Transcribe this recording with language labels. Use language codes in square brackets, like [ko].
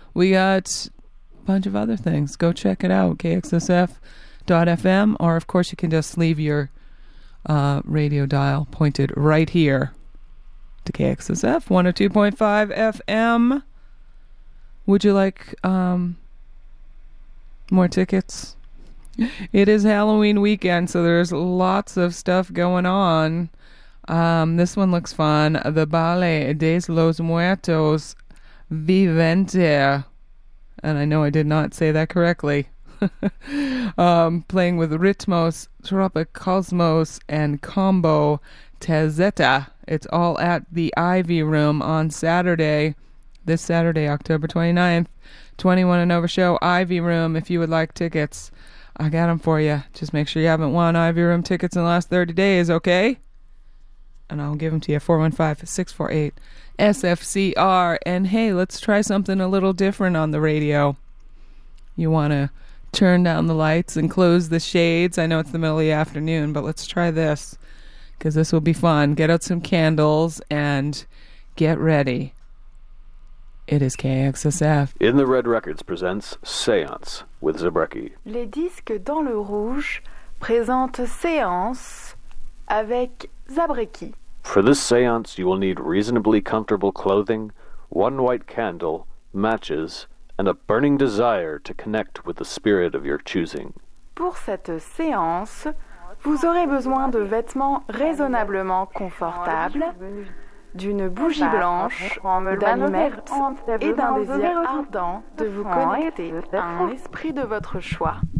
[en] We got a bunch of other things. Go check it out, kxsf.fm, or of course you can just leave your radio dial pointed right here to KXSF 102.5 FM. Would you like more tickets? It is Halloween weekend, so there's lots of stuff going on. This one looks fun. The Ballet de los Muertos Vivente. And I know I did not say that correctly. playing with Ritmos, Tropicosmos, and Combo Tezeta. It's all at the Ivy Room on Saturday, this Saturday, October 29th. 21 and over show, Ivy Room, if you would like tickets. I got them for you. Just make sure you haven't won Ivy Room tickets in the last 30 days, okay? And I'll give them to you, 415-648-SFCR. And hey, let's try something a little different on the radio. You want to turn down the lights and close the shades? I know it's the middle of the afternoon, but let's try this, because this will be fun. Get out some candles and get ready. It is KXSF. In the Red Records presents Seance with Zabrecky. [fr] Les disques dans le rouge présentent Seance avec Zabrecky. [en] For this seance, you will need reasonably comfortable clothing, one white candle, matches, and a burning desire to connect with the spirit of your choosing. [fr] Pour cette séance, vous aurez besoin de vêtements raisonnablement confortables, d'une bougie blanche, d'allumettes et d'un désir ardent de vous connecter à un esprit de votre choix.